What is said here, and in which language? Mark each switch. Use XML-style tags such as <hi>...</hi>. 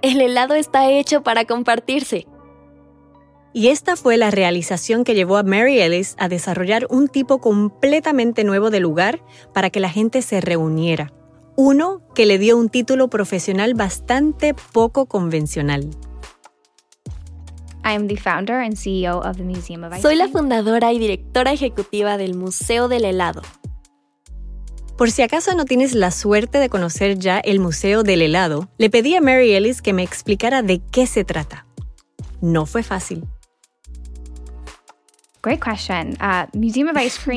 <es>El helado está hecho para compartirse. Y esta fue la realización que llevó a Mary Ellis a desarrollar un tipo completamente nuevo de lugar para que la gente se reuniera. Uno que le dio un título profesional bastante poco convencional.</es> <en>I am the founder and CEO of the Museum of Ice Cream.</en> <es>Soy la fundadora y directora ejecutiva del Museo del Helado. Por si acaso no tienes la suerte de conocer ya el Museo del Helado, le pedí a Mary Ellis que me explicara de qué se trata. No fue fácil.</es> <en>Great question. Museum of Ice Cream.</en>